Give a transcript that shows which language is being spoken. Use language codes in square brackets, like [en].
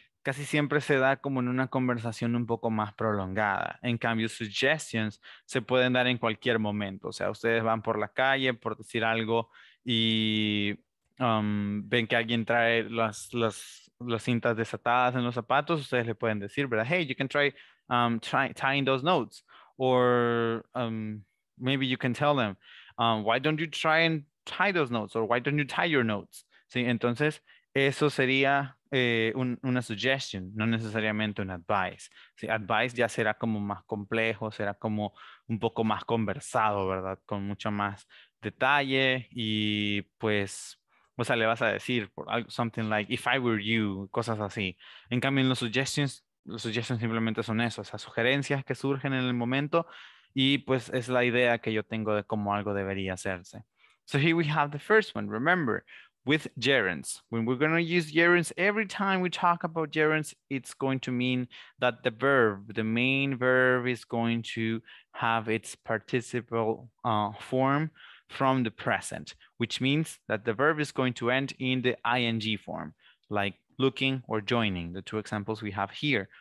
[es] casi siempre se da como en una conversación un poco más prolongada. En cambio, suggestions se pueden dar en cualquier momento. O sea, ustedes van por la calle por decir algo y ven que alguien trae las cintas desatadas en los zapatos, ustedes le pueden decir, ¿verdad? [en] Hey, you can try tying those notes. Or maybe you can tell them, why don't you try and tie those notes? Or why don't you tie your notes? [es] ¿Sí? Entonces, eso sería una suggestion, no necesariamente un advice. ¿Sí? Advice ya será como más complejo, será como un poco más conversado, ¿verdad? Con mucho más detalle y pues... O sea, le vas a decir [en] something like, if I were you, [es] cosas así. En cambio, en los suggestions simplemente son eso, esas sugerencias que surgen en el momento. Y pues es la idea que yo tengo de cómo algo debería hacerse. [en] So here we have the first one. Remember, with gerunds. When we're going to use gerunds, every time we talk about gerunds, it's going to mean that the verb, the main verb, is going to have its participle form from the present, which means that the verb is going to end in the ing form, like looking or joining, the two examples we have here.